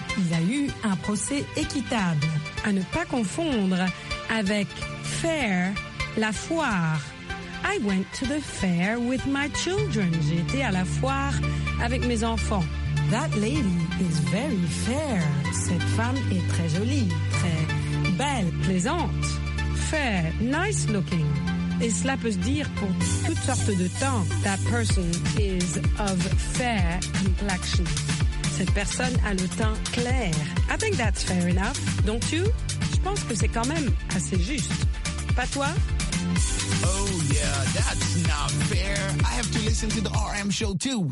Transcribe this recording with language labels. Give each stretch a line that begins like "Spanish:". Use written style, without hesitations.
French: Il a eu un procès équitable. À ne pas confondre avec fair, la foire.
English: I went to the fair with my children.
French: J'ai été à la foire avec mes enfants.
English: That lady is very fair.
French: Cette femme est très jolie, très belle, plaisante.
English: Fair, nice looking.
French: Et cela peut se dire pour toutes sortes de temps.
English: That person is of fair complexion.
French: Cette personne a le teint clair.
English: I think that's fair enough. Don't you?
French: Je pense que c'est quand même assez juste. Pas toi?
English: Oh yeah, that's not fair. I have to listen to the RM show too.